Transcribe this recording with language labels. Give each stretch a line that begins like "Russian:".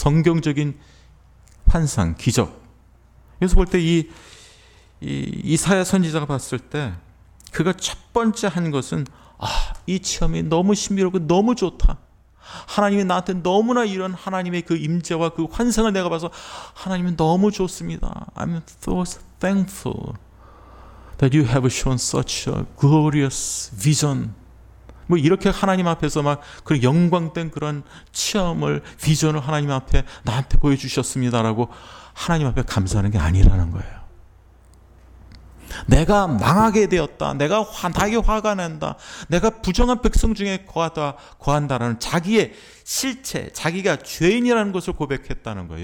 Korean: 성경적인 환상, 기적. 그래서 볼 때 이사야 선지자가 봤을 때 그가 첫 번째 한 것은, 아, 이 체험이 너무 신비롭고 너무 좋다. 하나님이 나한테 너무나 이런 하나님의 그 임재와 그 환상을 내가 봐서 하나님이 너무 좋습니다.
English: I'm so thankful that you have shown such a glorious vision.
Korean: 뭐 이렇게 하나님 앞에서 막 그 영광된 그런 체험을, 비전을 하나님 앞에 나한테 보여주셨습니다라고 하나님 앞에 감사하는 게 아니라는 거예요. 내가 망하게 되었다, 내가 나에게 화가 난다, 내가 부정한 백성 중에 거한다라는 자기의 실체, 자기가 죄인이라는 것을 고백했다는 거예요.